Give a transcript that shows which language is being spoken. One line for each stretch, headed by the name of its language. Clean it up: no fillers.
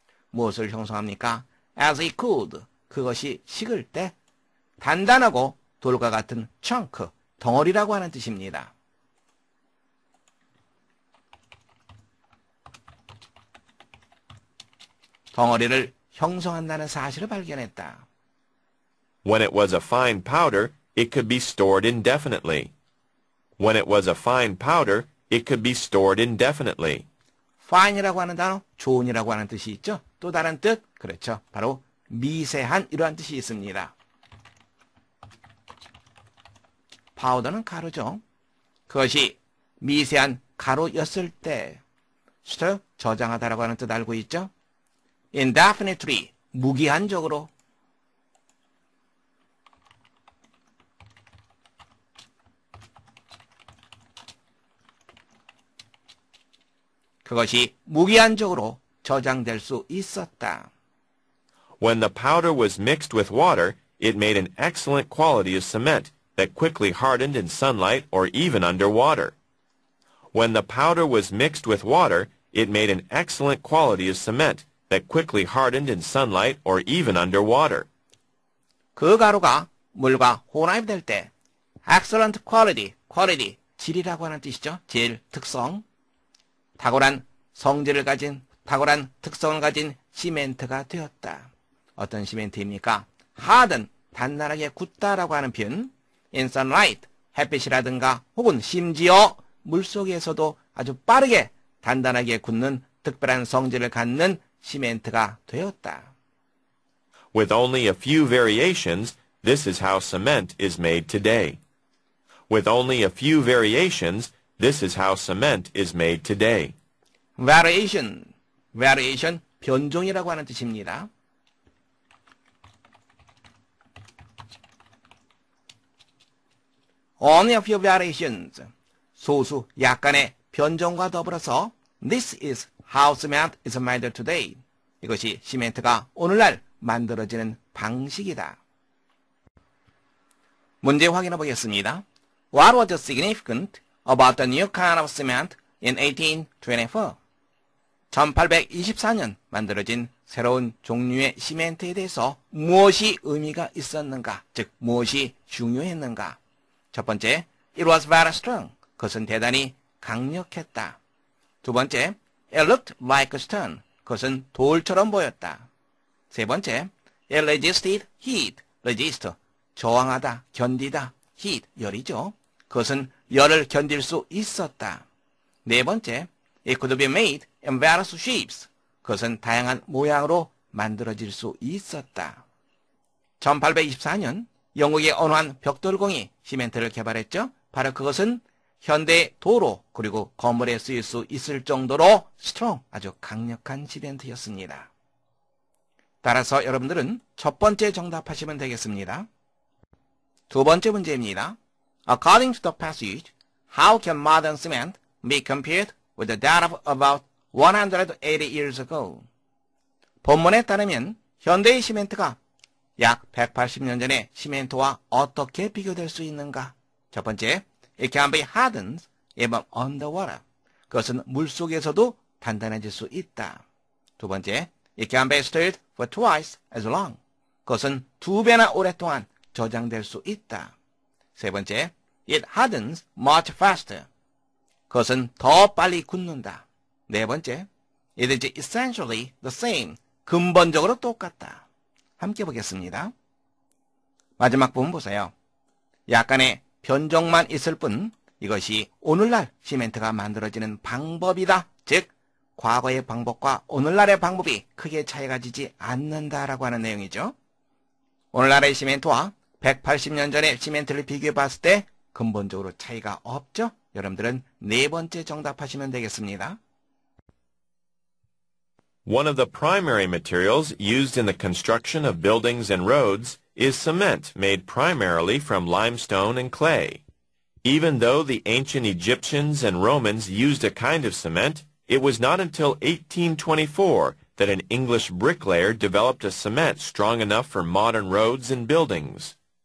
Korean: 무엇을 형성합니까?
English: As it cooled,
Korean: 그것이 식을 때 단단하고 돌과 같은 chunk, 덩어리라고 하는 뜻입니다. 덩어리를 형성한다는 사실을 발견했다.
English: When it was a fine powder, it could be stored indefinitely. When it was a fine powder, it could be stored indefinitely.
Korean: Fine이라고 하는 단어, 좋은이라고 하는 뜻이 있죠. 또 다른 뜻, 그렇죠. 바로 미세한 이러한 뜻이 있습니다. 파우더는 가루죠. 그것이 미세한 가루였을 때, 저장하다라고 하는 뜻 알고 있죠. Indefinitely, 무기한적으로. 그것이 무기한적으로 저장될 수 있었다.
English: When the powder was mixed with water, it made an excellent quality of cement that quickly hardened in sunlight or even under water. When the powder was mixed with water, it made an excellent quality of cement that quickly hardened in sunlight or even under water.
Korean: 그 가루가 물과 혼합될 때
English: excellent quality, quality,
Korean: 질이라고 하는 뜻이죠. 질, 특성. 탁월한 성질을 가진, 탁월한 특성을 가진 시멘트가 되었다. 어떤 시멘트입니까? harden, 단단하게 굳다라고 하는 표현.
English: in sunlight,
Korean: 햇빛이라든가 혹은 심지어 물 속에서도 아주 빠르게 단단하게 굳는 특별한 성질을 갖는 시멘트가 되었다.
English: With only a few variations, this is how cement is made today. With only a few variations, this is how cement is made today.
Korean: Variation, variation, 변종이라고 하는 뜻입니다.
English: 'Only a few variations',
Korean: 소수, 약간의 변종과 더불어서
English: 'This is how cement is made today'.
Korean: 이것이 시멘트가 오늘날 만들어지는 방식이다. 문제 확인해 보겠습니다.
English: What was the significance about the new kind of cement in 1824?
Korean: 1824년 만들어진 새로운 종류의 시멘트에 대해서 무엇이 의미가 있었는가, 즉 무엇이 중요했는가. 첫 번째,
English: it was very strong.
Korean: 그것은 대단히 강력했다. 두 번째,
English: it looked like a stone.
Korean: 그것은 돌처럼 보였다. 세 번째,
English: it resisted heat.
Korean: resist, 저항하다, 견디다, heat, 열이죠. 그것은 열을 견딜 수 있었다. 네 번째,
English: it could be made in various shapes.
Korean: 그것은 다양한 모양으로 만들어질 수 있었다. 1824년 영국의 어느 한 벽돌공이 시멘트를 개발했죠. 바로 그것은 현대의 도로 그리고 건물에 쓰일 수 있을 정도로 strong, 아주 강력한 시멘트였습니다. 따라서 여러분들은 첫 번째 정답하시면 되겠습니다. 두 번째 문제입니다.
English: According to the passage, how can modern cement be compared with the data of about 180 years ago?
Korean: 본문에 따르면 현대의 시멘트가 약 180년 전에 시멘트와 어떻게 비교될 수 있는가? 첫 번째,
English: it can be hardened even underwater.
Korean: 그것은 물 속에서도 단단해질 수 있다. 두 번째,
English: it can be stored for twice as long.
Korean: 그것은 두 배나 오랫동안 저장될 수 있다. 세 번째,
English: it hardens much faster.
Korean: 그것은 더 빨리 굳는다. 네 번째,
English: it is essentially the same.
Korean: 근본적으로 똑같다. 함께 보겠습니다. 마지막 부분 보세요. 약간의 변종만 있을 뿐 이것이 오늘날 시멘트가 만들어지는 방법이다. 즉, 과거의 방법과 오늘날의 방법이 크게 차이가 지지 않는다라고 하는 내용이죠. 오늘날의 시멘트와 180년 전의 시멘트를 비교해 봤을 때 근본적으로 차이가 없죠? 여러분들은 네 번째 정답하시면 되겠습니다.
English: One of the primary materials used in the construction of buildings and roads is cement made primarily from limestone and clay. Even though the ancient Egyptians and Romans used a kind of cement, it was not until 1824 that an English bricklayer developed a cement strong enough for modern roads and buildings.